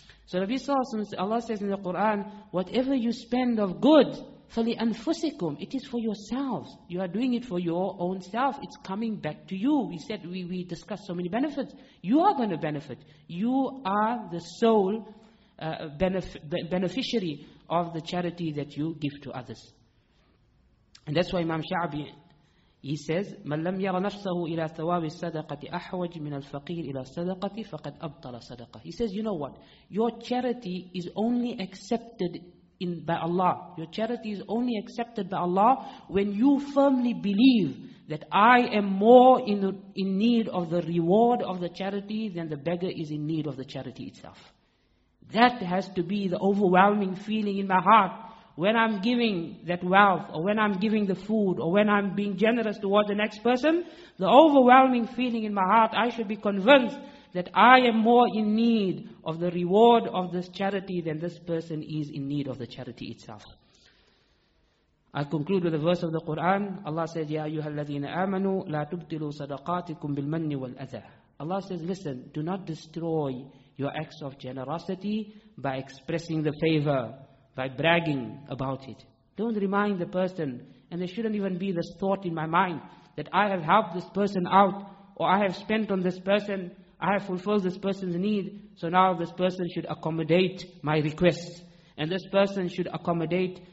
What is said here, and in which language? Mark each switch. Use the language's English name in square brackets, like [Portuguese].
[English] So Nabi Sallallahu Alaihi Wasallam, Allah says in the Quran, whatever you spend of good, [Arabic] فَلِأَنفُسِكُمْ, [English] it is for yourselves. You are doing it for your own self. It's coming back to you. We said, we discussed so many benefits. You are going to benefit. You are the sole beneficiary of the charity that you give to others. And that's why Imam Sha'bi, he says, [Arabic] مَنْ لَمْ يَرَ نَفْسَهُ إِلَىٰ ثَوَابِ الصَّدَقَةِ أَحْوَجِ مِنَ الْفَقِيرِ إِلَىٰ صَدَقَةِ فَقَدْ أَبْطَلَ صَدَقَةِ. [English] He says, you know what? Your charity is only accepted by Allah. Your charity is only accepted by Allah when you firmly believe that I am more in need of the reward of the charity than the beggar is in need of the charity itself. That has to be the overwhelming feeling in my heart. When I'm giving that wealth, or when I'm giving the food, or when I'm being generous towards the next person, the overwhelming feeling in my heart, I should be convinced that I am more in need of the reward of this charity than this person is in need of the charity itself. I conclude with a verse of the Quran. Allah says, [Arabic] يَا أَيُّهَا الَّذِينَ آمَنُوا لَا تُبْتِلُوا صَدَقَاتِكُمْ بِالْمَنِّ وَالْأَذَى. [English] Allah says, listen, do not destroy your acts of generosity by expressing the favor, by bragging about it. Don't remind the person, and there shouldn't even be this thought in my mind that I have helped this person out, or I have spent on this person, I have fulfilled this person's need, so now this person should accommodate my requests, and this person should accommodate